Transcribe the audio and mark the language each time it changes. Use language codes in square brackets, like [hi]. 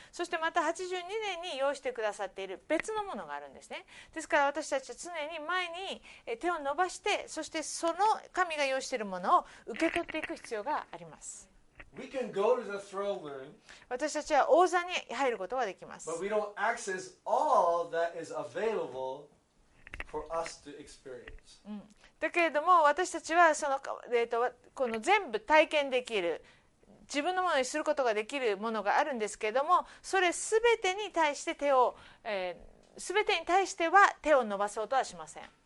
[ja] そしてまた82年に用意してくださっている別のものがあるんですね。ですから私たちは常に前に手を伸ばして、そしてその神が用意しているものを受け取っていく必要があります。 [en] We can go to the throne room, [ja] 私たちは王座に入ることができます。 [en] But we don't access all that is available for us to experience. [ja] だけれども私たちはその、この全部体験できる自分のものにすることができるものがあるんですけれども、それ全てに対して手を、全てに対しては手を伸ばそうとはしません。